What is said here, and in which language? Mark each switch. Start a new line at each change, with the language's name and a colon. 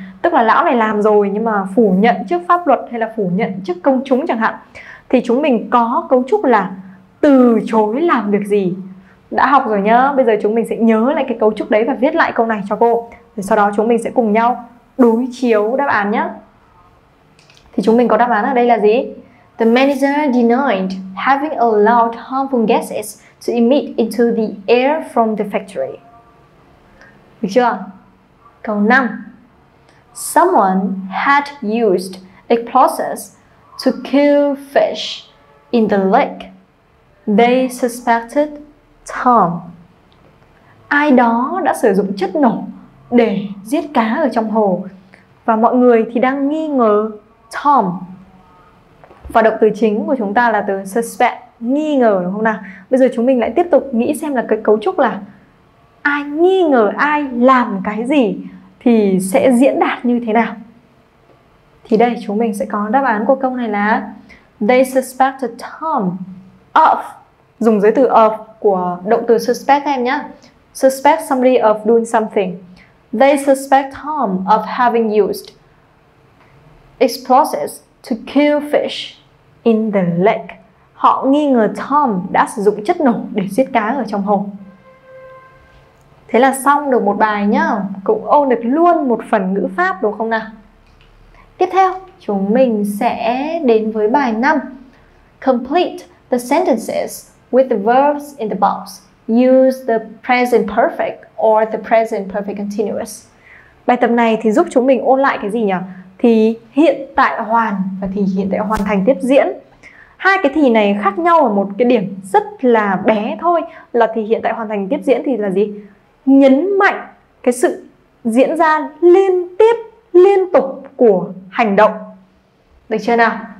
Vietnamese: Tức là lão này làm rồi nhưng mà phủ nhận trước pháp luật hay là phủ nhận trước công chúng chẳng hạn. Thì chúng mình có cấu trúc là từ chối làm việc gì. Đã học rồi nhá, bây giờ chúng mình sẽ nhớ lại cái cấu trúc đấy và viết lại câu này cho cô. Rồi sau đó chúng mình sẽ cùng nhau đối chiếu đáp án nhá. Thì chúng mình có đáp án ở đây là gì?
English: The manager denied having allowed harmful gases to emit into the air from the factory.
Vietnamese: Được chưa? Câu 5.
English: Someone had used a process to kill fish in the lake. They suspected Tom.
Vietnamese: Ai đó đã sử dụng chất nổ để giết cá ở trong hồ, và mọi người thì đang nghi ngờ Tom. Và động từ chính của chúng ta là từ suspect, nghi ngờ đúng không nào? Bây giờ chúng mình lại tiếp tục nghĩ xem là cái cấu trúc là ai nghi ngờ ai làm cái gì thì sẽ diễn đạt như thế nào. Thì đây chúng mình sẽ có đáp án của câu này là
English: They suspected Tom of,
Vietnamese: dùng giới từ of của động từ suspect em nhé.
English: Suspect somebody of doing something. They suspect Tom of having used explosives to kill fish in the lake.
Vietnamese: Họ nghi ngờ Tom đã sử dụng chất nổ để giết cá ở trong hồ. Thế là xong được một bài nhá, cũng ôn được luôn một phần ngữ pháp đúng không nào? Tiếp theo, chúng mình sẽ đến với bài 5.
English: Complete the sentences with the verbs in the box. Use the present perfect or the present perfect continuous.
Vietnamese: Bài tập này thì giúp chúng mình ôn lại cái gì nhỉ? Thì hiện tại hoàn và thì hiện tại hoàn thành tiếp diễn. Hai cái thì này khác nhau ở một cái điểm rất là bé thôi, là thì hiện tại hoàn thành tiếp diễn thì là gì? Nhấn mạnh cái sự diễn ra liên tiếp, liên tục của hành động. Được chưa nào?